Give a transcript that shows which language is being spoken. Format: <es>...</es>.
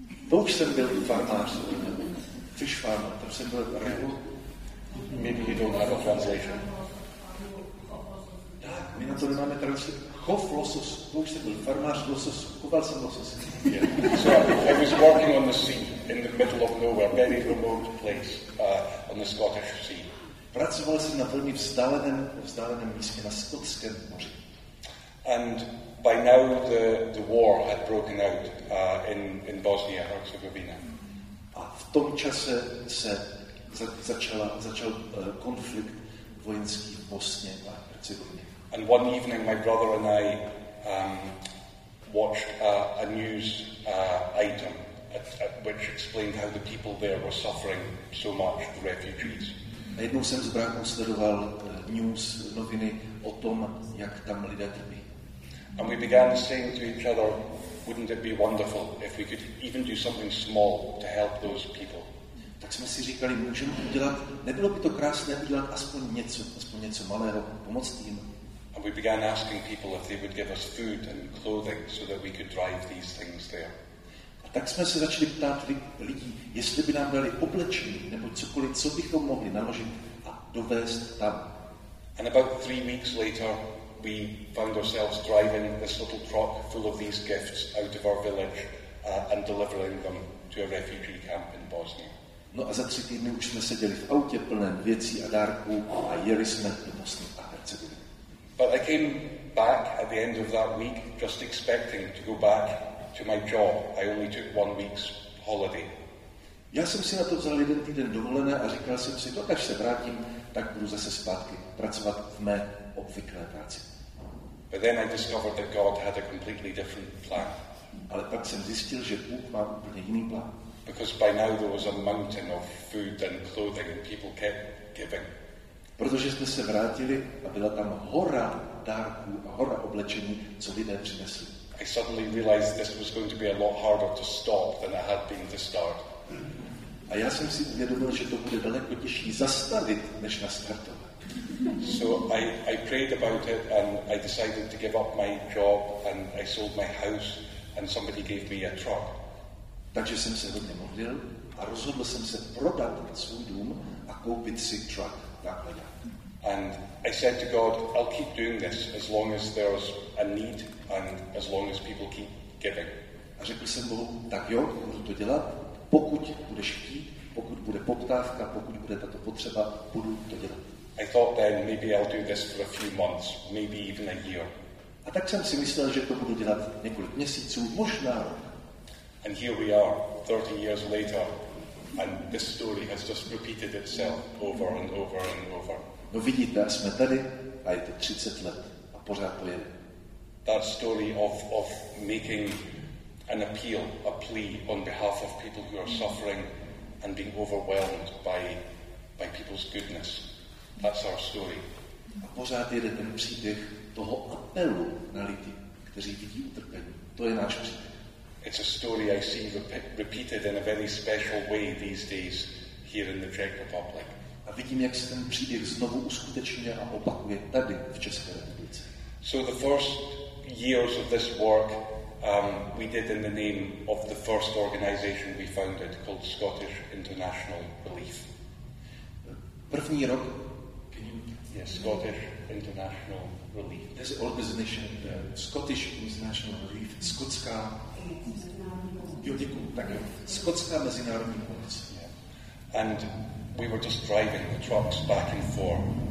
<cs>To už jsem byl farmář,</cs> <en>fish farmer,</en> <cs>tam jsem byl rybu.</cs> <en>Maybe you don't have a translation.</en> <cs>Tak, my na to nemáme translation. Chov losos, to už jsem byl farmář losos, choval jsem losos.</cs> <en>Yeah. So I was working on the sea, in the middle of nowhere, very remote place, on the Scottish Sea.</en> <cs>Pracoval jsem na velmi vzdáleném místě na Skotském moři.</cs> <en>And by now the war had broken out in Bosnia and Herzegovina.</en> <cs>A v tom čase se začal konflikt vojenský v Bosně a Hercegovině.</cs> <en>And one evening my brother and I watched a news item which explained how the people there were suffering so much, the refugees.</en> <cs>A jednou jsem s bráchou sledoval news noviny o tom, jak tam lidé trpí.</cs> <en>And we began saying to each other, wouldn't it be wonderful if we could even do something small to help those people?</en> <cs>Tak jsme si říkali, můžeme udělat, nebylo by to krásné udělat aspoň něco malého, pomoct jim.</cs> <en>And we began asking people if they would give us food and clothing so that we could drive these things there.</en> <cs>A tak jsme se začali ptát lidí, jestli by nám dali oblečení nebo cokoliv, co bychom mohli naložit a dovést tam.</cs> <en>And about 3 weeks later, we found ourselves driving this little truck full of these gifts out of our village and delivering them to a refugee camp in Bosnia.</en> <cs>No a za 3 týdny už jsme seděli v autě plném věcí a dárků a jeli jsme do Bosny a Hercegoviny.</cs> <en>But I came back at the end of that week just expecting to go back to my job. I only took 1 week's holiday.</en> <cs>Já jsem si na to vzal 1 týden dovolené a říkal jsem si, to až se vrátím, tak budu zase zpátky pracovat v mé obvyklé práci.</cs> <en>But then I discovered that God had a completely different plan.</en> <cs>Ale pak jsem zjistil, že Bůh má úplně jiný plán.</cs> <en>Because by now there was a mountain of food and clothing and people kept giving.</en> <cs>Protože jsme se vrátili a byla tam hora dárků a hora oblečení, co lidé přinesli.</cs> <en>I suddenly realized this was going to be a lot harder to stop than it had been to start.</en> <cs>A já jsem si uvědomil, že to bude daleko těžší zastavit, než nastartovat.</cs> <en>So I prayed about it and I decided to give up my job and I sold my house and somebody gave me a truck.</en> <cs>Takže jsem se hodně modlil a rozhodl jsem se prodat svůj dům a koupit si truck.</cs> <en>And I said to God, I'll keep doing this as long as there's a need and as long as people keep giving.</en> <cs>A řekl jsem Bohu, tak jo, budu to dělat, pokud budeš chtít, pokud bude poptávka, pokud bude tato potřeba, budu to dělat.</cs> <en>I thought then maybe I'll do this for a few months, maybe even a year.</en> <cs>A tak jsem si myslel, že to budu dělat několik měsíců, možná rok.</cs> <en>And here we are, 30 years later. And this story has just repeated itself over and over and over.</en> <cs>No vidíte, jsme tady a je to 30 let a pořád to je.</cs> <en>That story of making an appeal, a plea on behalf of people who are suffering and being overwhelmed by people's goodness. That's our story.</en> <cs>A pořád jede ten příběh toho apelu na lidi, kteří vidí utrpení. To je náš příběh.</cs> <en>It's a story I see repeated in a very special way these days here in the Czech Republic.</en> <cs>A vidím, jak se ten příběh znovu uskutečňuje a opakuje tady v České republice.</cs> <en>So the first years of this work we did in the name of the first organization we founded called Scottish International Relief.</en> <cs>První rok.</cs> <en>Yes, Scottish International Relief. This organization,</en> <cs>Scottish International Relief, Skotská. Jo, děkuju, tak jo. Skotská mezinárodní pomoc.</cs> <en>And we were just driving the trucks back and forth.</en>